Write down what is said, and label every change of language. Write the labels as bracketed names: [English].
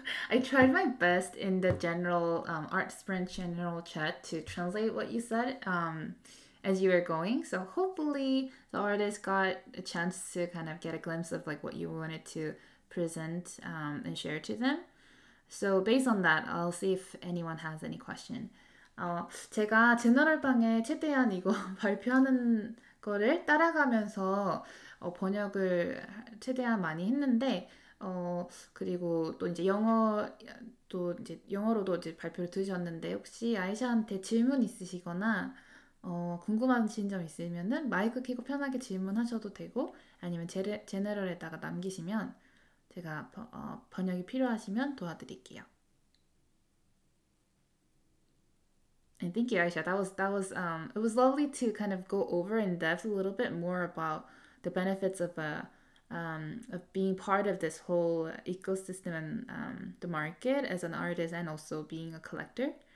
[English] I tried my best in the general Art Sprint general chat to translate what you said as you were going. So hopefully the artist got a chance to kind of get a glimpse of like what you wanted to present and share to them. So based on that, I'll see if anyone has any question. [Korean] 제가 지난번에 최대한 이거 발표하는 거를 따라가면서 번역을 최대한 많이 했는데 그리고 또 이제 영어도 이제 영어로도 이제 발표를 드셨는데 혹시 아이샤한테 질문 있으시거나 궁금하신 점 있으면은 마이크 켜고 편하게 질문하셔도 되고 아니면 제네럴에다가 남기시면 제가 번역이 필요하시면 도와드릴게요. [English] And thank you, Aisha. It was lovely to kind of go over in depth a little bit more about the benefits of a of being part of this whole ecosystem and the market as an artist and also being a collector.